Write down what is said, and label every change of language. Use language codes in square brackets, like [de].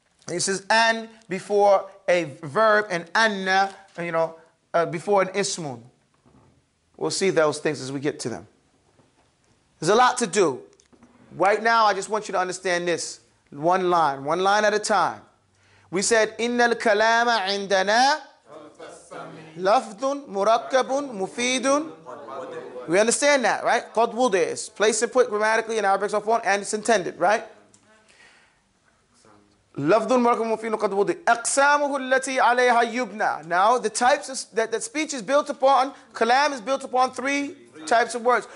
[en] It says an before a verb and anna, you know, before an ismun. We'll see those things as we get to them. There's a lot to do. Right now, I just want you to understand this. One line at a time. We said, [ar] إِنَّ الْكَلَامَ عِنْدَنَا لَفْظٌ مُرَكَّبٌ مُفِيدٌ. [en] We understand that, right? [ar] قَدْ وُضِعَ [en] is placed and put grammatically in Arabic so forth, and it's intended, right? [ar] لَفْظٌ مُرَكَّبٌ مُفِيدٌ قَدْ وُضِعَ أَقْسَامُهُ الَّتِي عَلَيْهَا يُبْنَى. [en] Now, the types of, that speech is built upon, kalam is built upon three types of words.